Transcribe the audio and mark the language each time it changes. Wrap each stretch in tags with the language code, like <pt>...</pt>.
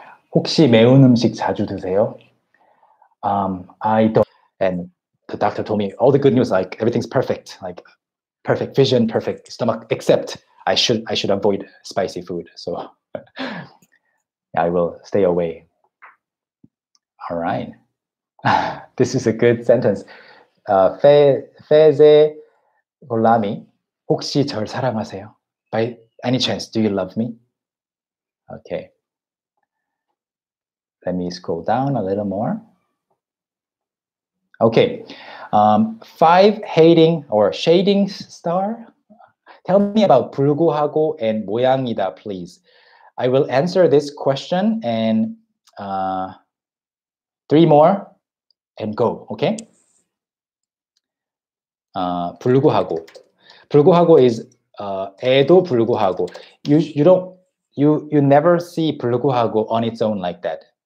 <ko>혹시 매운 음식 자주 드세요?</ko> <en>I don't. And the doctor told me all the good news, like everything's perfect, like perfect vision, perfect stomach, except I should avoid spicy food. So I will stay away. All right. This is a good sentence. Feze Olami,</en> <ko>혹시 절 사랑하세요?</ko> <en>By any chance, do you love me? Okay. Let me scroll down a little more. Okay. Five hating or shading star. Tell me about 불구하고 and 모양이다, please. I will answer this question and three more and go, okay?</en> <ko>불구하고. 불구하고</ko> <en>is</en> <ko>에도 불구하고.</ko> <en>You never see 불구하고 on its own like that.</en>